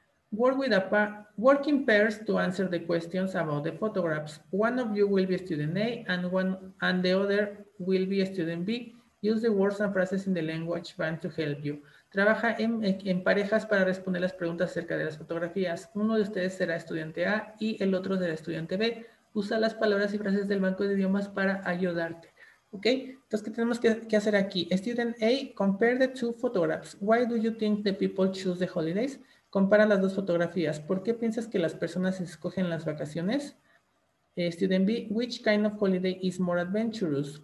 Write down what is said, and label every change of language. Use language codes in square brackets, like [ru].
[en] Work in pairs to answer the questions about the photographs. One of you will be student A and the other will be student B. Use the words and phrases in the language band to help you. [es] Trabaja en parejas para responder las preguntas acerca de las fotografías. Uno de ustedes será estudiante A y el otro será estudiante B. Usa las palabras y frases del banco de idiomas para ayudarte. ¿Ok? Entonces, ¿qué tenemos que hacer aquí? [en] Student A, compare the two photographs. Why do you think the people choose the holidays? [es] Compara las dos fotografías. ¿Por qué piensas que las personas escogen las vacaciones? [en] Student B, which kind of holiday is more adventurous?